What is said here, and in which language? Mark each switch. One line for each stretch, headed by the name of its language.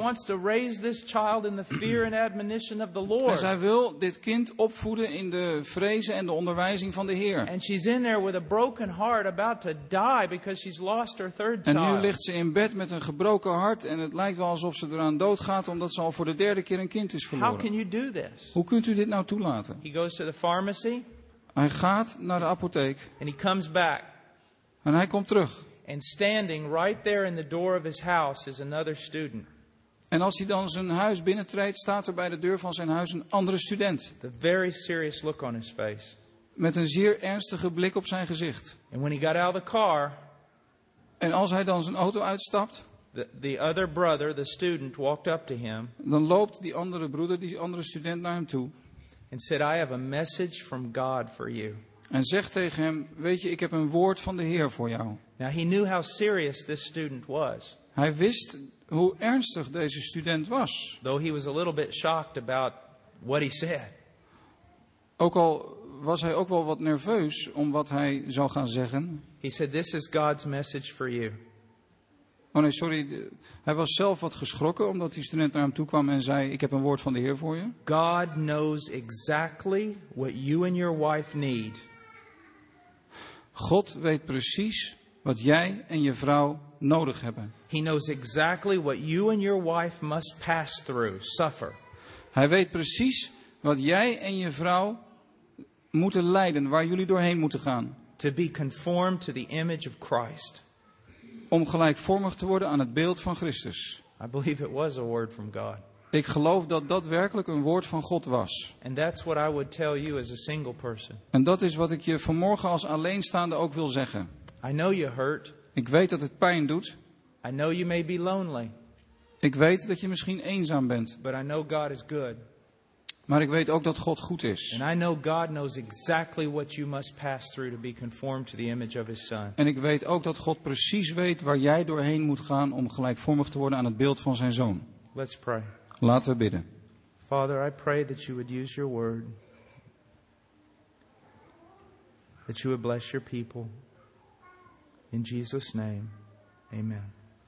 English: She wants to raise this child in the fear and admonition of the Lord.
Dutch: En zij wil dit kind opvoeden in de vrezen en de onderwijzing van de Heer.
English: And she's in there with a broken heart about to die because she's lost her third child.
Dutch: En nu ligt ze in bed met een gebroken hart en het lijkt wel alsof ze eraan doodgaat omdat ze al voor de derde keer een kind is verloren.
English: How can you do this?
Dutch: Hoe kunt u dit nou toelaten?
English: He goes to the pharmacy.
Dutch: Hij gaat naar de apotheek.
English: And he comes back.
Dutch: En hij komt terug.
English: And standing right there in the door of his house is another student.
Dutch: En als hij dan zijn huis binnentreedt, staat er bij de deur van zijn huis een andere student.
English: The very serious look on his face.
Dutch: Met een zeer ernstige blik op zijn gezicht.
English: And when he got out of the car,
Dutch: en als hij dan zijn auto uitstapt,
English: the other brother, the student, walked up to him.
Dutch: Dan loopt die andere broeder, die andere student, naar hem toe.
English: And said, I have a message from God for you.
Dutch: En zegt tegen hem, weet je, ik heb een woord van de Heer voor jou.
English: Now he knew how serious this student was.
Dutch: Hij wist hoe ernstig deze student was.
English: Though he was a little bit shocked about what he said.
Dutch: Ook al was hij ook wel wat nerveus om wat hij zou gaan zeggen.
English: He said, this is God's message for you.
Dutch: Oh nee, sorry. Hij was zelf wat geschrokken omdat die student naar hem toe kwam en zei, ik heb een woord van de Heer voor je.
English: God knows exactly what you and your wife need.
Dutch: God weet precies wat jij en je vrouw nodig hebben.
English: He knows exactly what you and your wife must pass through, suffer.
Dutch: Hij weet precies wat jij en je vrouw moeten lijden, waar jullie doorheen moeten gaan.
English: To be conformed to the image of Christ.
Dutch: Om gelijkvormig te worden aan het beeld van Christus.
English: I believe it was a word from God.
Dutch: Ik geloof dat dat werkelijk een woord van God was.
English: And that's what I would tell you as a single person.
Dutch: En dat is wat ik je vanmorgen als alleenstaande ook wil zeggen.
English: I know you hurt.
Dutch: Ik weet dat het pijn doet.
English: I know you may be lonely.
Dutch: Ik weet dat je misschien eenzaam bent.
English: But I know God is good.
Dutch: Maar ik weet ook dat God goed is.
English: And I know God knows exactly what you must pass through to be conformed to the image of his son.
Dutch: En ik weet ook dat God precies weet waar jij doorheen moet gaan om gelijkvormig te worden aan het beeld van zijn zoon.
English: Let's pray.
Dutch: Laten we bidden.
English: Father, I pray that you would use your word. That you would bless your people. In Jesus' name. Amen.